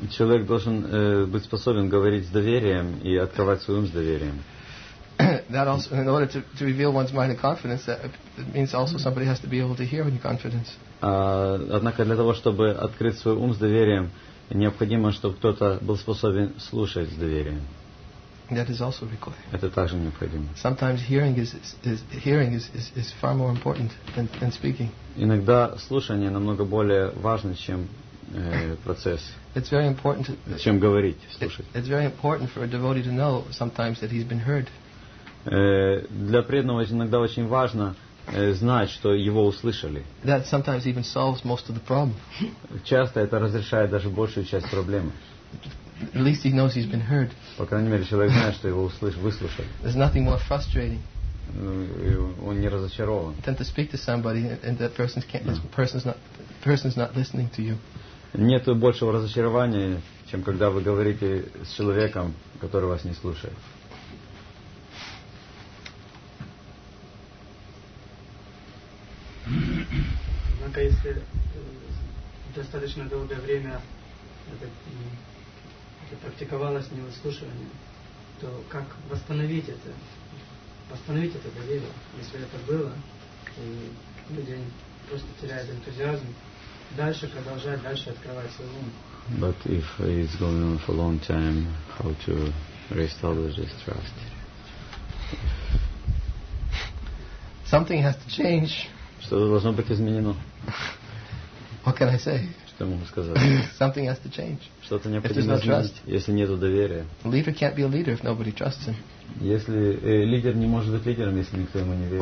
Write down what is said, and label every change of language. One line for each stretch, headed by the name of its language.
Russian: Человек должен быть способен говорить с доверием и открывать свой ум с доверием.
English: That also, in order to reveal one's mind in confidence, that means also somebody has to be able to hear in confidence.
Russian: Однако для того, чтобы открыть свой ум с доверием, необходимо, чтобы кто-то был способен слушать с доверием.
English: That is also required.
Russian: Это также необходимо.
English: Sometimes hearing is far more important than speaking.
Russian: Иногда слушание намного более важно, чем процесс.
English: It's very important.
Russian: Чем говорить, слушать.
English: It's very important for a devotee to know sometimes that he's been heard.
Russian: Для преданного иногда очень важно знать, что его услышали.
English: That sometimes even solves most of the problem.
Russian: Часто это разрешает даже большую часть проблемы.
English: At least he knows he's been heard.
Russian: По крайней мере, человек знает, что его выслушали.
English: There's nothing more frustrating.
Russian: Он не разочарован.
English: Than to speak to somebody and that person's not listening to you.
Russian: Нет большего разочарования, чем когда вы говорите с человеком, который вас не слушает. Однако если достаточно долгое время это практиковалось невыслушивание, то как восстановить это доверие, если это было, и люди просто теряют энтузиазм, дальше продолжать, дальше открывать свой ум.
English: But if it's going on for a long time, how to reestablish this trust? Something has to change.
Russian: Что должно быть изменено?
English: What can I say?
Russian: Что я могу сказать?
English: Something has to change.
Russian: Что-то необходимо изменить,
English: trust,
Russian: если нет доверия.
English: Leader can't be a leader if nobody trusts him.
Russian: Если лидер не может быть лидером, если никто ему не верит.